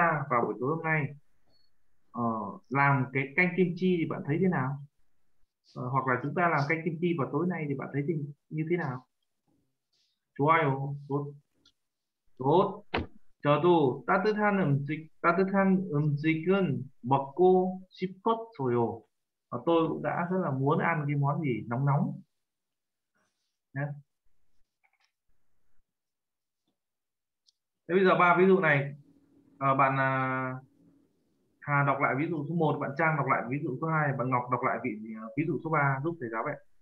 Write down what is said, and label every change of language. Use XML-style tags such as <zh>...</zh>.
<vi>Vào buổi tối hôm nay làm cái canh kim chi thì bạn thấy thế nào? Hoặc là chúng ta làm canh kim chi vào tối nay thì bạn thấy như thế nào?</vi> <ko>좋아요. 좋. 저도 따뜻한 음식은 먹고 싶었어요.</ko> <vi>Tôi cũng đã rất là muốn ăn cái món gì nóng nóng. Thế bây giờ ba ví dụ này, bạn Hà đọc lại ví dụ số 1, bạn Trang đọc lại ví dụ số 2, bạn Ngọc đọc lại ví dụ số 3 giúp thầy giáo vậy.</vi>